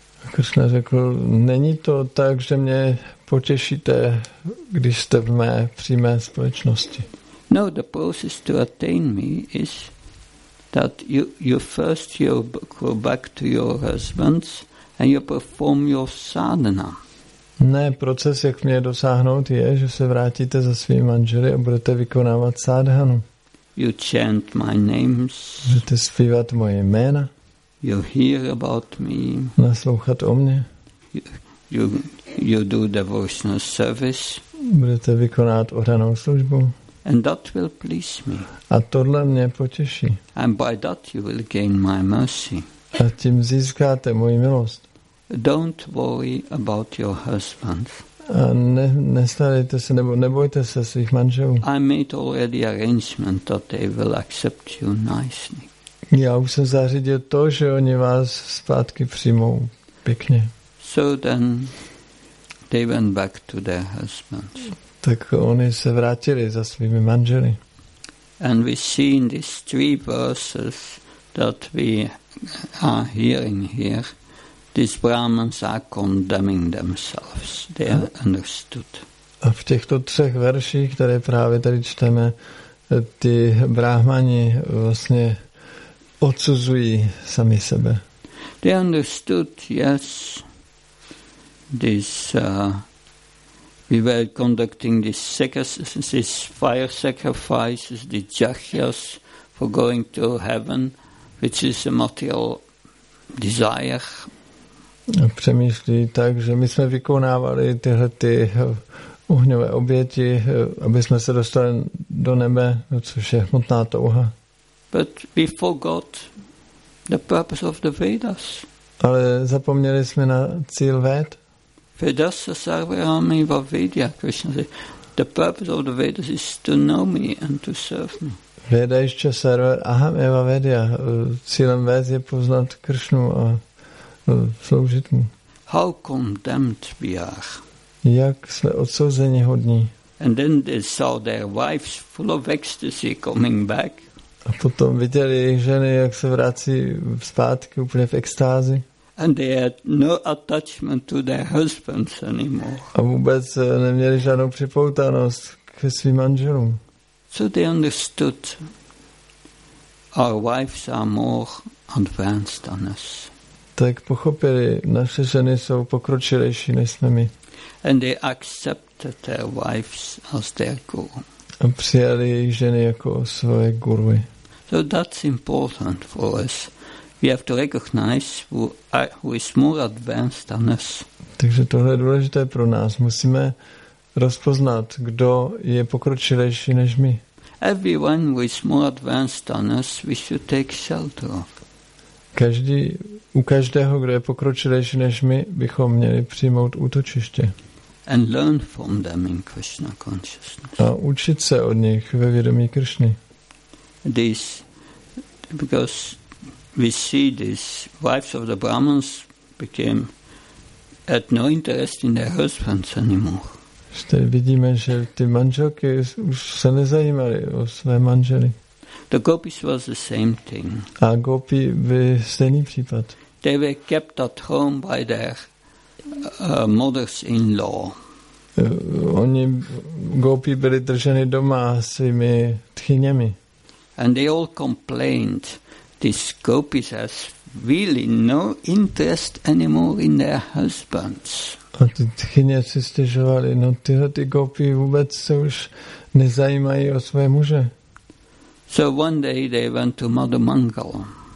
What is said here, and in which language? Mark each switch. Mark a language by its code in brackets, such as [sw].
[cs] Krishna řekl, není to tak, že mě potěšíte, když jste v mé přímé společnosti. [en] No, the process to attain me is that you first go back to your husbands and you perform your sadhana. [cs] Ne, proces, jak mě dosáhnout, je, že se vrátíte za svými manželi a budete vykonávat sadhanu. [en] You chant my names. [cs] Budete zpívat moje jména. [en] You hear about me. [cs] Naslouchat o mě. [en] You do devotional service. [cs] Budete vykonávat oddanou službu. [en] And that will please me. [cs] A tohle mě potěší. [en] And by that you will gain my mercy. [cs] A tím získáte moji milost. [en] Don't worry about your husband. [cs] A nestarejte se, nebo nebojte se svých manželů. [en] I made already arrangement that they will accept you nicely. [cs] Já už jsem zařídil to, že oni vás zpátky přijmou pěkně. [en] So then they went back to their husbands. [cs] Tak oni se vrátili za svými manželi. [en] And we see in these three verses that we are hearing here, these Brahmins are condemning themselves. They are understood. [cs] A v těchto třech verších, které právě tady čteme, ty Brahmani vlastně odsuzují sami sebe. [en] They understood, yes, this we were conducting this fire sacrifices, the jachyas for going to heaven, which is a material desire. [cs] A přemýšlí tak, že my jsme vykonávali tyhle ty ohňové oběti, aby jsme se dostali do nebe, což je hmotná touha. [en] But we forgot the purpose of the Vedas. [cs] Ale zapomněli jsme na cíl Véd. [sa] Vedasa sarvarameva vidya, [en] Krishna says, the purpose of the Vedas is to know me and to serve me. [sa] Vedaischa sarvar ahameva vidya, [cs] cílem Ved je poznat Krishnu a sloužit mu. [en] How condemned we are. [cs] Jak jsme odsouzeni hodní. [en] And then they saw their wives full of ecstasy coming back. [cs] A potom viděli jejich ženy, jak se vrací zpátky úplně v extázi. [en] And they had no attachment to their husbands anymore. [cs] A vůbec neměli žádnou připoutanost ke svým manželům. [en] So they understood our wives are more advanced than us. [cs] Tak pochopili, naše ženy jsou pokročilejší než jsme my. [en] And they accepted their wives as their guru. [cs] A přijali jejich ženy jako svoje guruji. [en] So that's important for us. We have to recognize who is more advanced than us. [cs] Takže tohle je důležité pro nás. Musíme rozpoznat, kdo je pokročilejší než my. [en] Everyone who is more advanced than us, we should take shelter of. [cs] Každý, u každého, kdo je pokročilejší než my, bychom měli přijmout útočiště. [en] And learn from them in Krishna consciousness. [cs] A učit se od nich ve vědomí Krishny. [en] This, because we see this wives of the Brahmins became had no interest in their husbands anymore. [cs] Vidíme, že ty manželky už se nezajímaly o své manžely. [en] The gopis was the same thing. [cs] A gopi by stejný případ. [en] They were kept at home by their mothers-in-law. [cs] Oni gopi byli drženi doma svými tchyněmi. [en] And they all complained. These gopis has really no interest anymore in their husbands. [cs] A ty tchyně si stěžovali, no tyhle ty gopi vůbec se už nezajímají o své muže. [en] So one day they went to Madhu Mangala.